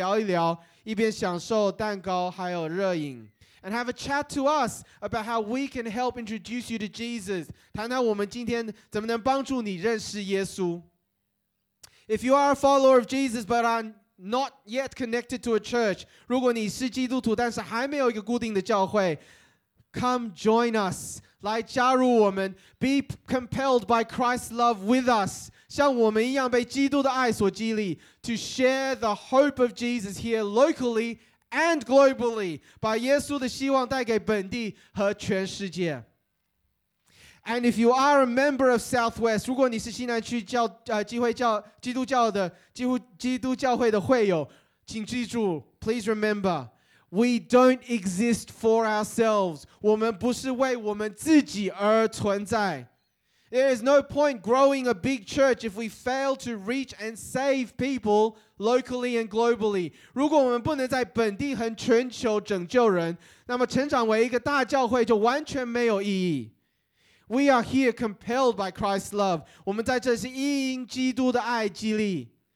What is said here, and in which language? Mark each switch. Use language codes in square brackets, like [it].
[zh] 来咖啡屋跟我们谈一谈，聊一聊，一边享受蛋糕还有热饮。 [en] And have a chat to us about how we can help introduce you to Jesus. [zh] 谈谈我们今天怎么能帮助你认识耶稣。 [en] If you are a follower of Jesus but are not yet connected to a church, [zh] 如果你是基督徒但是还没有一个固定的教会, [en] come join us. [zh] 来加入我们, [en] be compelled by Christ's love with us, [zh] 像我们一样被基督的爱所激励, [en] to share the hope of Jesus here locally and globally, [zh] 把耶稣的希望带给本地和全世界。 [en] And if you are a member of Southwest, [zh] 如果你是西南区教基督教的基督教会的会友, 请记住, [en] please remember, we don't exist for ourselves. [zh] 我们不是为我们自己而存在。 [en] There is no point growing a big church if we fail to reach and save people locally and globally. [zh] 如果我们不能在本地和全球拯救人，那么成长为一个大教会就完全没有意义。 [en] We are here compelled by Christ's love. [zh] 我们在这是因基督的爱激励。